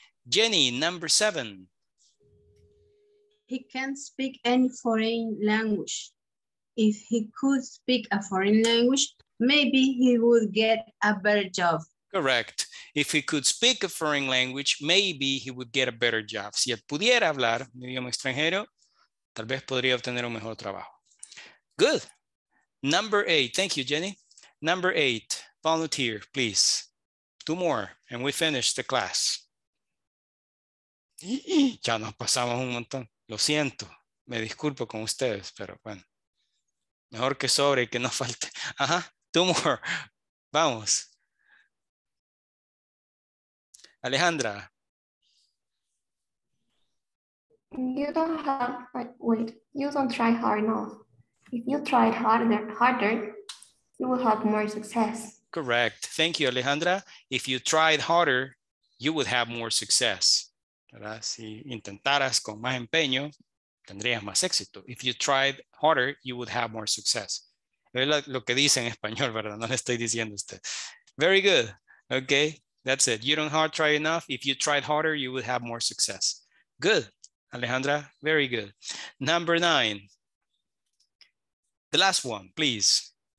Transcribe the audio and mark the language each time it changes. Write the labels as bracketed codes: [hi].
[en] Jenny, number seven. He can't speak any foreign language. If he could speak a foreign language, maybe he would get a better job. Correct. If he could speak a foreign language, maybe he would get a better job. [es] Si él pudiera hablar un idioma extranjero, tal vez podría obtener un mejor trabajo. [en] Good. Number eight. Thank you, Jenny. Number eight. Volunteer, please. Two more, and we finish the class. [es] Ya nos pasamos un montón. Lo siento. Me disculpo con ustedes, pero bueno. Mejor que sobre y que no falte. Ajá. [en] Two more. [es] Vamos. Alejandra. [en] You don't try hard enough. If you try harder, you will have more success. Correct. Thank you, Alejandra. If you tried harder, you would have more success. [es] ¿Verdad? Si intentaras con más empeño, tendrías más éxito. [en] If you tried harder, you would have more success. [es] Es lo que dice en español, ¿verdad? No le estoy diciendo usted. [en] Very good. Okay, that's it. You don't hard try enough. If you tried harder, you would have more success. Good, Alejandra. Very good. Number nine. The last one, please.